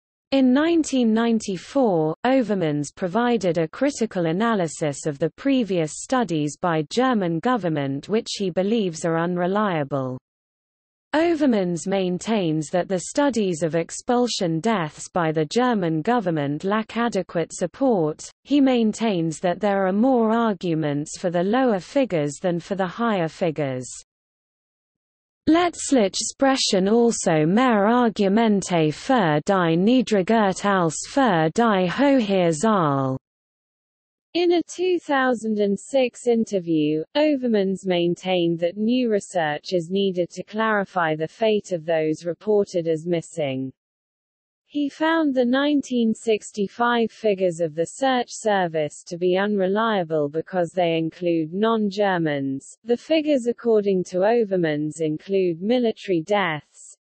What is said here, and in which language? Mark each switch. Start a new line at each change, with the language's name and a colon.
English: In 1994, Overmans provided a critical analysis of the previous studies by German government which he believes are unreliable. Overmans maintains that the studies of expulsion deaths by the German government lack adequate support. He maintains that there are more arguments for the lower figures than for the higher figures.
German: Letztlich sprechen also mehr Argumente für die Niedrigkeit als für die hohe Zahl.
English: In a 2006 interview, Overmans maintained that new research is needed to clarify the fate of those reported as missing. He found the 1965 figures of the search service to be unreliable because they include non-Germans. The figures according to Overmans include military deaths,